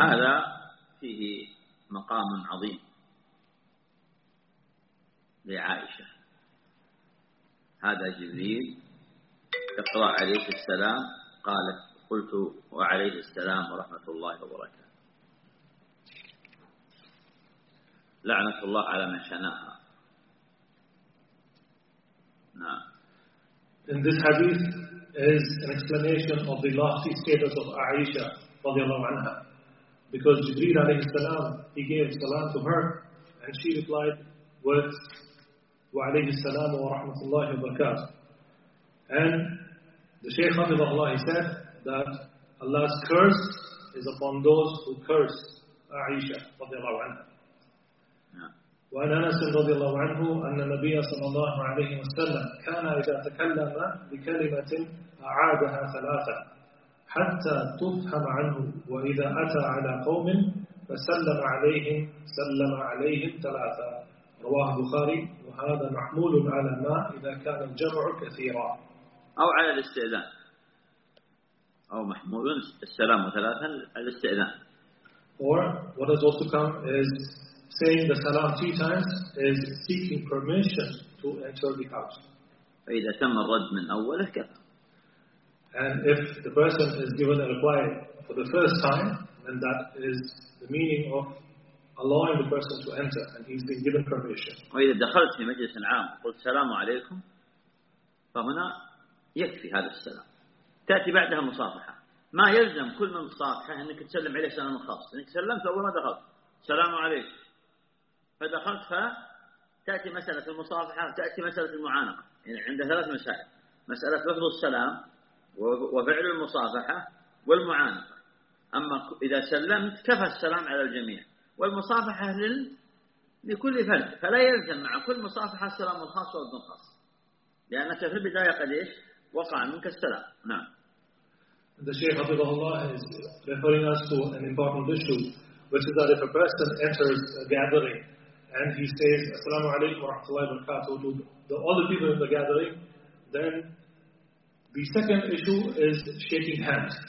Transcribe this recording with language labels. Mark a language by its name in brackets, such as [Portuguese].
[Arabic] هذا فيه مقام عظيم لعائشة هذا جبريل اقرأ عليه السلام قالت قلت وعليه السلام ورحمة الله وبركاته لعنة الله على من شنها. نعم. [English] In this hadith is an explanation of the lofty status of Aisha رضي الله عنها because Jibreel عليه السلام he gave salam to her and she replied with [Arabic] وعليه السلام ورحمة الله وبركاته. [English] And the Shaykh of Allah, he said that Allah's curse is upon those who curse Aisha رضي الله عنها. [Arabic] وعن أنس رضي الله عنه أن النبي صلى الله عليه وسلم كان إذا تكلم بكلمة أعادها ثلاثة حتى تفهم عنه وإذا أتى على قوم فسلم عليهم سلم عليهم ثلاثة رواه البخاري وهذا محمول على ما إذا كان الجمع كثيرا أو على الاستئذان أو محمول السلام ثلاثة على الاستئذان [English] or what has also come is saying the salam three times is seeking permission to enter the house. [Arabic] فإذا تم الرد من أوله كفى. [English] And if the person is given a reply for the first time, then that is the meaning of allowing the person to enter, and he's been given permission. [Arabic] وإذا دخلت في مجلس عام قلت السلام عليكم، فهنا يكفي هذا السلام. تأتي بعدها مصافحة. ما يلزم كل من مصافحة أنك تسلم عليه سلام خاص. أنك سلمت أول ما دخلت. السلام عليكم. فدخلت فتأتي مسألة المصافحة تأتي مسألة المعانقة يعني عندها ثلاث مسائل مسألة لفظ السلام وفعل المصافحة والمعانقة. أما إذا سلمت كفى السلام على الجميع والمصافحة لكل فرد فلا يلزم مع كل مصافحة السلام الخاص والدون خاص لأنك في البداية قد إيش وقع منك السلام. نعم. [English] The Shaykh حفظه الله is referring us to an important issue which is that if a person enters a gathering and he says, Assalamu alaikum wa rahmatullahi wa barakatuh to the other people in the gathering, then the second issue is shaking hands.